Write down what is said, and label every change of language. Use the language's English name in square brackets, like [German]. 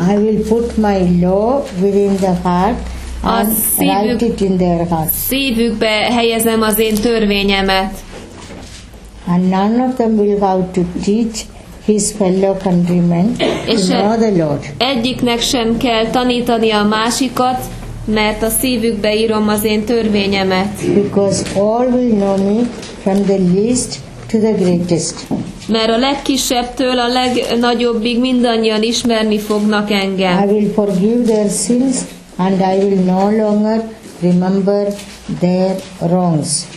[English] I will put my law within the heart. And write it in their heart. [Hungarian] Szívükbe helyezem az én törvényemet. [English] And none of them will have to teach his fellow countrymen to know the Lord. [Hungarian] Egyiknek sem kell tanítani a másikat, mert a szívükbe írom az én törvényemet. [English] Because all will know me from the least to the greatest. [Hungarian] Mert a legkisebbtől a legnagyobbig mindannyian ismerni fognak engem. [English] I will forgive their sins, and I will no longer remember their wrongs.